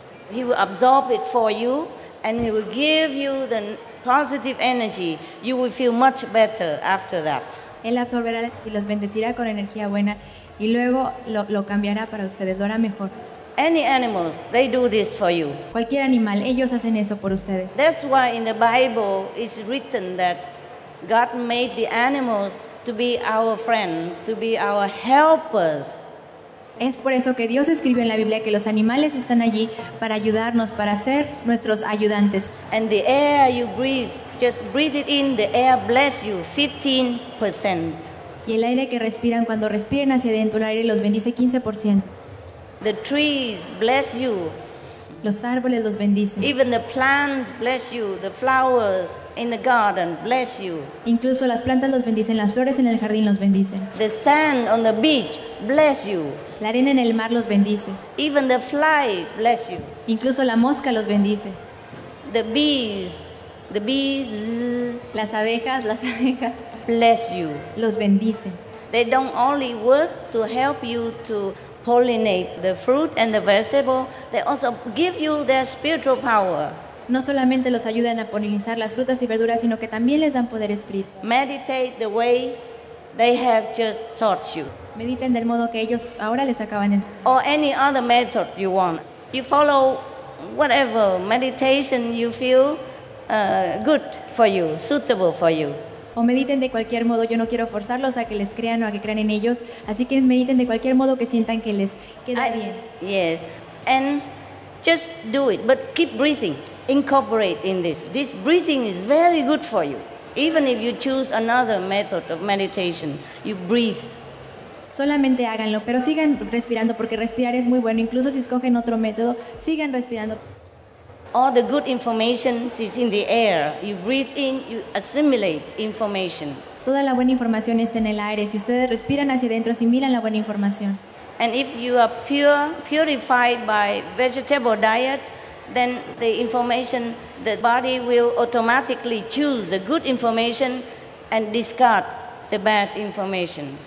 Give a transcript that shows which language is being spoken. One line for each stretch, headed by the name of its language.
English: He will absorb it for you and he will give you the positive energy. You will feel much better after that.
Spanish: Él absorberá y los bendecirá con energía buena y luego lo cambiará para ustedes, lo hará mejor.
English: Any animals, they do this for you.
Spanish: Cualquier animal, ellos hacen eso por ustedes.
English: That's why in the Bible it's written that God made the animals to be our friends, to be our helpers.
Spanish: Es por eso que Dios escribe en la Biblia que los animales están allí para ayudarnos, para ser nuestros ayudantes.
English: And the air you breathe, just breathe it in, the air bless you 15%.
Spanish: Y el aire que respiran, cuando respiren hacia adentro, el aire los bendice 15%.
English: The trees bless you.
Spanish: Los árboles los bendicen.
English: Even the plants bless you, the flowers in the garden bless you.
Spanish: Incluso las plantas los bendicen, las flores en el jardín los bendicen.
English: The sand on the beach bless you.
Spanish: La arena en el mar los bendice.
English: Even the fly bless you.
Spanish: Incluso la mosca los bendice.
English: The bees.
Spanish: Las abejas.
English: Bless you.
Spanish: Los bendicen.
English: They don't only work to help you to pollinate the fruit and the vegetable, they also give you their spiritual power.
Spanish: No solamente los ayudan a polinizar las frutas y verduras, sino que también les dan poder espiritual.
English: Meditate the way they have just taught you.
Spanish: Mediten del modo que ellos ahora les acaban de enseñar.
English: Or any other method you want. You follow whatever meditation you feel good for you, suitable for you.
Spanish: O mediten de cualquier modo, yo no quiero forzarlos a que les crean o a que crean en ellos, así que mediten de cualquier modo que sientan que les queda bien.
English: Yes, and just do it, but keep breathing, incorporate in this. This breathing is very good for you, even if you choose another method of meditation, you breathe.
Spanish: Solamente háganlo, pero sigan respirando, porque respirar es muy bueno, incluso si escogen otro método, sigan respirando.
English: All the good information is in the air. You breathe in, you assimilate information.
Spanish: Toda la buena información está en el aire. Si ustedes respiran hacia adentro, asimilan la buena información.
English: And if you are purified by vegetable diet, then the information, the body will automatically choose the good information and discard the bad information.